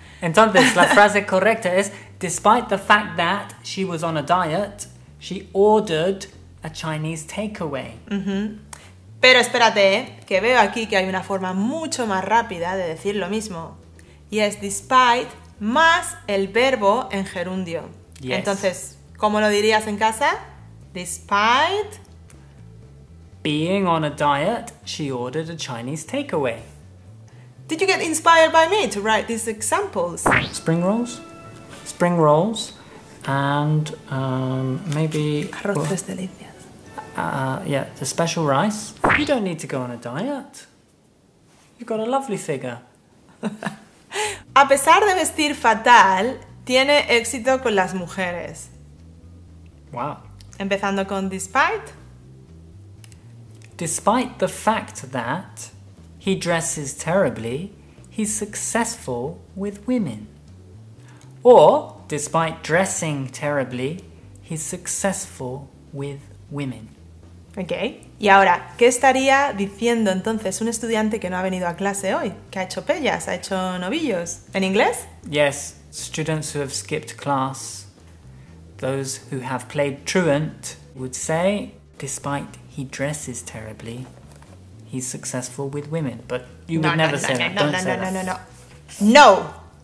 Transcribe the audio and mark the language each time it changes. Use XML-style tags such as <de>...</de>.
<es>Entonces, la frase correcta es,</es> <en>despite the fact that she was on a diet, she ordered a Chinese takeaway. Mm-hmm.</en> <es>Pero espérate, que veo aquí que hay una forma mucho más rápida de decir lo mismo. Y es despite más el verbo en gerundio.</es> <en>Yes.</en> <es>Entonces, ¿cómo lo dirías en casa? Despite</es> <en>being on a diet, she ordered a Chinese takeaway. Did you get inspired by me to write these examples? Spring rolls, and maybe...</en> <es>Arroces delicias.</es> <en>Yeah, the special rice. You don't need to go on a diet. You've got a lovely figure.</en> <es>A pesar de vestir fatal, tiene éxito con las mujeres.</es> <en>Wow.</en> <es>Empezando con despite.</es> <en>Despite the fact that he dresses terribly, he's successful with women. Or, despite dressing terribly, he's successful with women. Okay.</en> <es>Y ahora, ¿qué estaría diciendo entonces un estudiante que no ha venido a clase hoy? ¿Que ha hecho pellas? ¿Ha hecho novillos? ¿En inglés?</es> <en>Yes, students who have skipped class, those who have played truant, would say, despite he dresses terribly, he's successful with women, but you would never say that. No.</en>